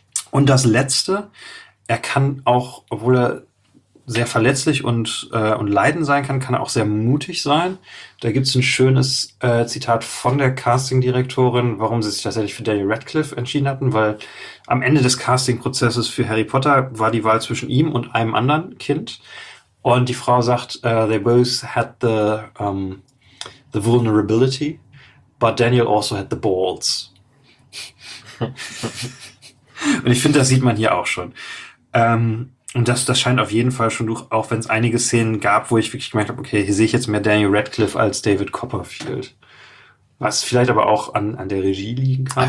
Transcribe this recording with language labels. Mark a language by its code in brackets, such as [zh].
[de] Und das Letzte, er kann auch, obwohl er sehr verletzlich und leidend sein kann, kann er auch sehr mutig sein. Da gibt es ein schönes Zitat von der Casting-Direktorin, warum sie sich tatsächlich für Daniel Radcliffe entschieden hatten, weil am Ende des Casting-Prozesses für Harry Potter war die Wahl zwischen ihm und einem anderen Kind. Und die Frau sagt, [en] they both had the vulnerability, but Daniel also had the balls. [de] Und ich finde, das sieht man hier auch schon. Und das scheint auf jeden Fall schon durch, auch wenn es einige Szenen gab, wo ich wirklich gemerkt habe, okay, hier sehe ich jetzt mehr Daniel Radcliffe als David Copperfield. Was vielleicht aber auch an der Regie liegen kann.